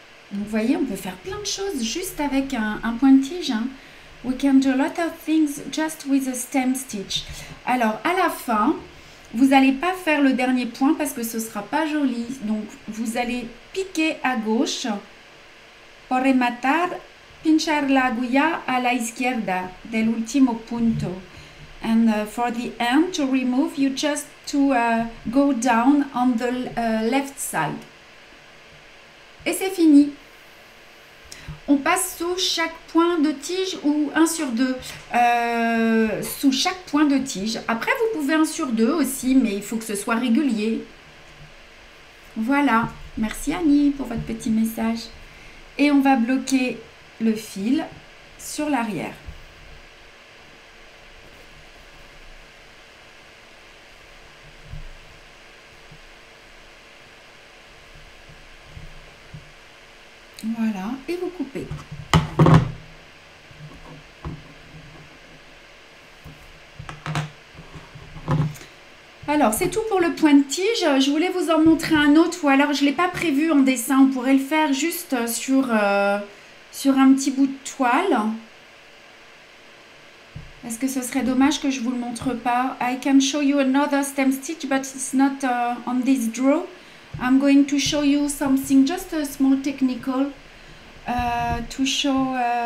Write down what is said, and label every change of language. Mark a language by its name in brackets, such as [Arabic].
[French] Donc, vous voyez, on peut faire plein de choses juste avec un point de tige. Hein. [English] We can do a lot of things just with a stem stitch. [French] Alors, à la fin, vous n'allez pas faire le dernier point parce que ce ne sera pas joli. Donc, vous allez piquer à gauche pour rematar. [Spanish] Pinchar la aguja a la izquierda del último punto. [English] And for the end, to remove, you just to go down on the left side. [French] Et c'est fini. On passe sous chaque point de tige ou un sur deux. Sous chaque point de tige. Après, vous pouvez un sur deux aussi, mais il faut que ce soit régulier. Voilà. Merci Annie pour votre petit message. Et on va bloquer... le fil sur l'arrière. Voilà, et vous coupez. Alors, c'est tout pour le point de tige. Je voulais vous en montrer un autre, ou alors je ne l'ai pas prévu en dessin. On pourrait le faire juste sur... sur un petit bout de toile. Est-ce que ce serait dommage que je vous le montre pas? [English] I can show you another stem stitch, but it's not on this draw. I'm going to show you something, just a small technical, to show...